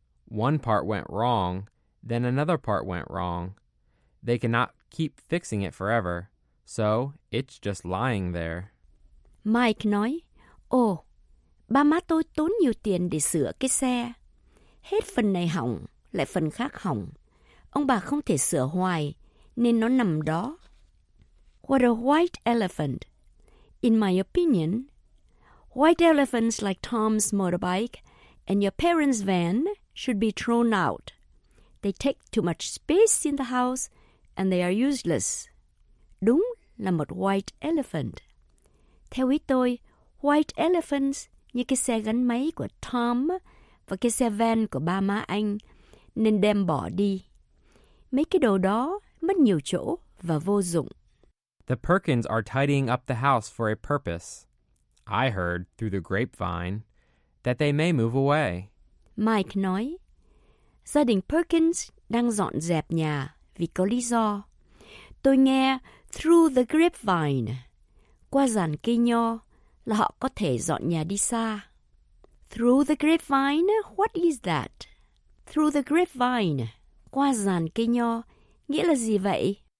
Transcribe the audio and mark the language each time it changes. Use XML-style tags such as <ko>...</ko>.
<en>One part went wrong, then another part went wrong. They cannot keep fixing it forever, so it's just lying there.</en> <vi>Mike nói, oh, ba má tôi tốn nhiều tiền để sửa cái xe. Hết phần này hỏng, lại phần khác hỏng. Ông bà không thể sửa hoài, nên nó nằm đó.</vi> <en>What a white elephant. In my opinion, white elephants like Tom's motorbike and your parents' van should be thrown out. They take too much space in the house and they are useless.</en> <vi>Đúng là một white elephant. Theo ý tôi, white elephants như cái xe gắn máy của Tom và cái xe van của ba má anh nên đem bỏ đi. Mấy cái đồ đó mất nhiều chỗ và vô dụng.</vi> <en>The Perkins are tidying up the house for a purpose. I heard, through the grapevine, that they may move away.</en> <vi>Mike nói, gia đình Perkins đang dọn dẹp nhà vì có lý do. Tôi nghe through the grapevine, qua giàn cây nho, là họ có thể dọn nhà đi xa.</vi> <en>Through the grapevine, what is that? Through the grapevine,</en> <vi>qua giàn cây nho, nghĩa là gì vậy?</vi>